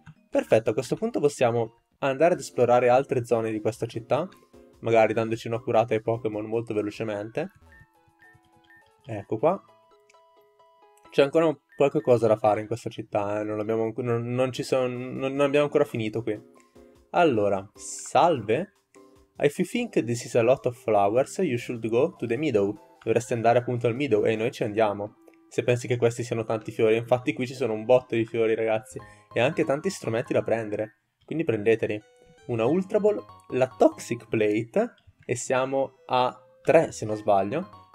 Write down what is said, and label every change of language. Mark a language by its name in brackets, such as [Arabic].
[Italian] Perfetto, a questo punto possiamo andare ad esplorare altre zone di questa città, magari dandoci una curata ai Pokémon molto velocemente. Ecco qua. C'è ancora qualche cosa da fare in questa città, eh? Non abbiamo ancora finito qui. Allora, salve. [English] If you think this is a lot of flowers, you should go to the meadow. [Italian] Dovresti andare appunto al meadow e noi ci andiamo. Se pensi che questi siano tanti fiori, infatti qui ci sono un botto di fiori, ragazzi. E anche tanti strumenti da prendere. Quindi prendeteli. Una Ultra Ball, la Toxic Plate, e siamo a 3 se non sbaglio.